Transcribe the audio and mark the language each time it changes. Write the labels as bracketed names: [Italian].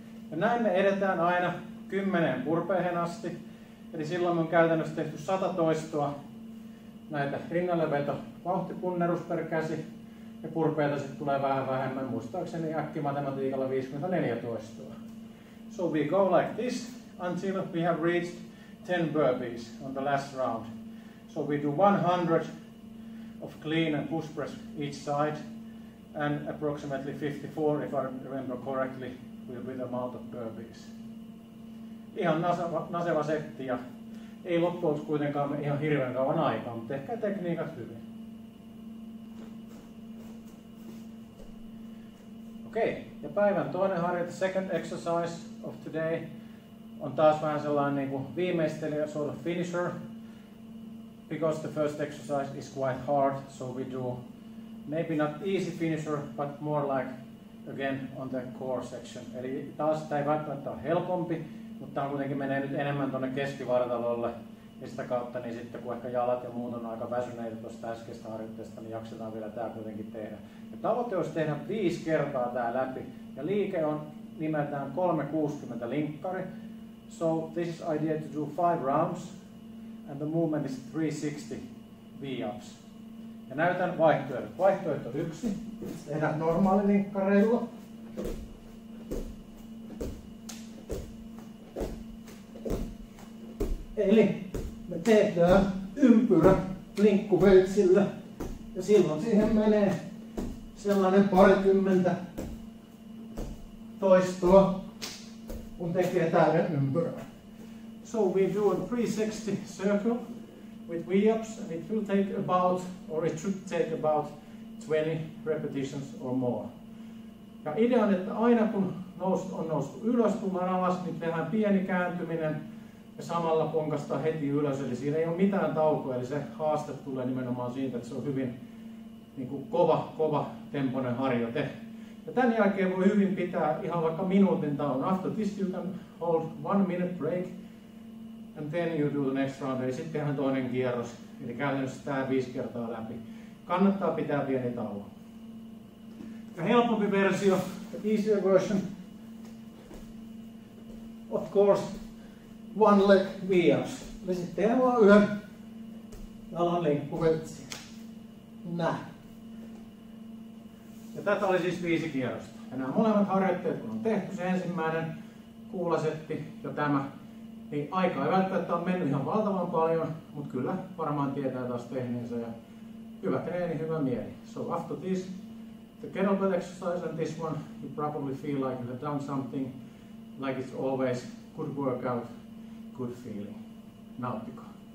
[Finnish] Ja näin me edetään aina 10 burpeehen asti. Eli silloin me on käytännössä tehty 100 toistoa näitä rinnalleveto vauhtipunnerus per käsi. Ja purpeita sitten tulee vähän vähemmän, muistaakseni äkkimatematiikalla 54 toistoa. [English] So we go like this until we have reached 10 burpees on the last round. So we do 100 of clean and push press each side. And approximately 54, if I remember correctly, will be the amount of burpees. [Finnish] Ihan naseva setti ja ei loppuun kuitenkaan ihan hirveän kauan aikaa, mutta ehkä tekniikat hyvin. Okei, ja päivän toinen harjoite, second exercise of today, on taas vähän sellainen niin kuin viimeistelijä, [English] sort of finisher, because the first exercise is quite hard, so we do maybe not easy finisher, but more like, again, on the core section. [Finnish] Eli taas tämä ei välttämättä ole helpompi, mutta tämä kuitenkin menee nyt enemmän tuonne keskivartalolle, ja sitä kautta, niin sitten kun ehkä jalat ja muut on aika väsyneitä tuosta äskeistä harjoitteesta, niin jaksetaan vielä tämä kuitenkin tehdä. Ja tavoite olisi tehdä 5 kertaa tämä läpi. Ja liike on nimeltään 360 linkkari. [English] So this is idea to do 5 rounds. And the movement is 360 V-ups. [Finnish] Ja näytän vaihtoehdot. Vaihtoehto 1. Tehdään normaali linkkareilla. Eli me tehdään ympyrä linkkuveitsillä. Ja silloin siihen menee sellainen parikymmentä toistoa, kun tekee täyden ympyrän. [English] So we do a 360 circle with V-ups and it will take about, or it should take about 20 repetitions or more. [Finnish] Ja idea on, että aina kun on noustu ylös, tullaan alas, niin tehdään pieni kääntyminen ja samalla ponkasta heti ylös, eli siinä ei ole mitään taukoa, eli se haaste tulee nimenomaan siitä, että se on hyvin niin kuin kova tempoinen harjoite. Ja tämän jälkeen voi hyvin pitää ihan vaikka minuutin tauon. [English] After this you can hold 1 minute break and then you do the next round, [Finnish] eli sitten tehdään toinen kierros, eli käytännössä tämä 5 kertaa läpi. Kannattaa pitää pieni tauo. Ja helpompi versio, [English] easier version, of course, 1 leg V-ups. [Finnish] Eli sitten tehdään vaan yhden jalan lenkkuvetsi. Näin. Ja tätä oli siis 5 kierrosta. Ja nämä molemmat harjoitteet, kun on tehty se ensimmäinen kuulasetti ja tämä, niin aika ei välttämättä ole mennyt ihan valtavan paljon, mutta kyllä varmaan tietää taas tehneensä. Ja hyvä treeni, hyvä mieli. [English] So after this, the kettlebell exercise and this one, you probably feel like you have done something, like it's always good workout, good feeling. [Finnish] Nauttikaa.